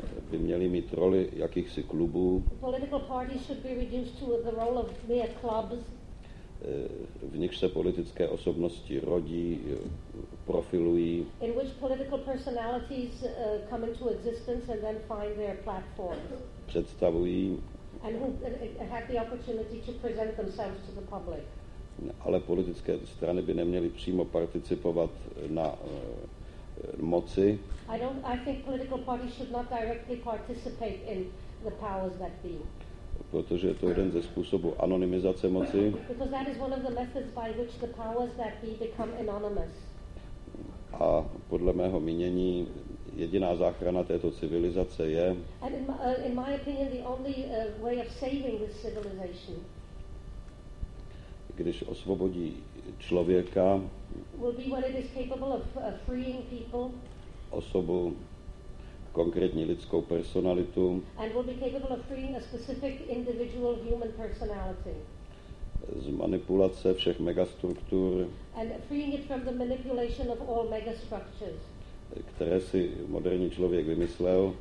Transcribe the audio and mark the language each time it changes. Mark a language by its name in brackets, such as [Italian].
[Czech] by měly mít roli jakýchsi klubů. [English] Political parties should be reduced to the role of mere clubs, [Czech] v nichž se politické osobnosti rodí, profilují, [English] in which political personalities come into existence and then find their platforms, [Czech] představují, [English] and who had the opportunity to present themselves to the public. [Czech] Ale politické strany by neměly přímo participovat na moci. [English] I think political parties should not directly participate in the powers that be. [Czech] Protože je to jeden ze způsobů anonymizace moci. [English] Because that is one of the methods by which the powers that be become anonymous. [Czech] A podle mého mínění jediná záchrana této civilizace je. [English] And in my opinion, the only way of saving this civilization. [Czech] Když osvobodí člověka. [English] Will be when it is capable of freeing people. [Czech] Osobu, konkrétní lidskou personalitu. [English] And will be capable of freeing a specific individual human personality. [Czech] Z manipulace všech megastruktur. [English] And freeing it from the manipulation of all megastructures. [Czech] Které si moderní člověk vymyslel.